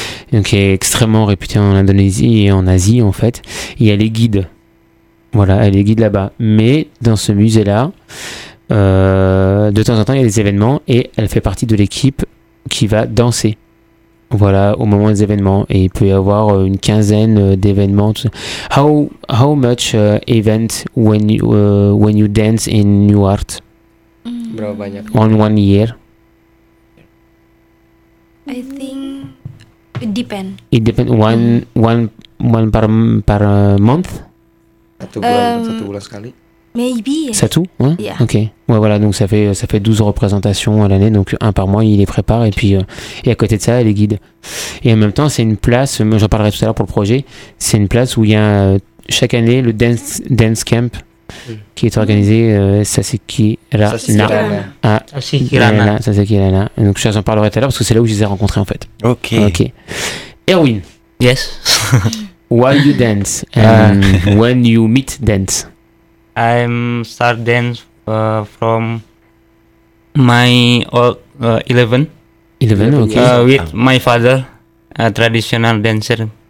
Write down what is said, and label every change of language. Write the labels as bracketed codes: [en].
[fr] Donc, qui est extrêmement réputé en Indonésie et en Asie, en fait. Et elle est guide. Voilà, elle est guide là-bas. Mais dans ce musée-là, de temps en temps, il y a des événements et elle fait partie de l'équipe qui va danser. Voilà, au moment des événements. Et il peut y avoir une quinzaine d'événements. [en] How much event when you dance in New Art? [id] Bravo, banyak. [en] On one year? I think... It depends. One per month? [id] Satu bulan sekali. [en] Maybe. [id] Satu, [fr] ouais. Yeah. Ok. Ouais, voilà, donc ça fait 12 représentations à l'année, donc un par mois, il les prépare, et puis et à côté de ça, il les guide. Et en même temps, c'est une place, moi j'en parlerai tout à l'heure pour le projet, c'est une place où il y a chaque année le dance camp. Qui est organisé Sasekirana. Donc je vous en parlerai tout à l'heure parce que c'est là où je les ai rencontrés en fait. Ok. [en] Okay. Erwin. Yes. While you dance and when you meet dance. I start dance from my 11. [fr] 11, ok. [en] With my father, a traditional dancer.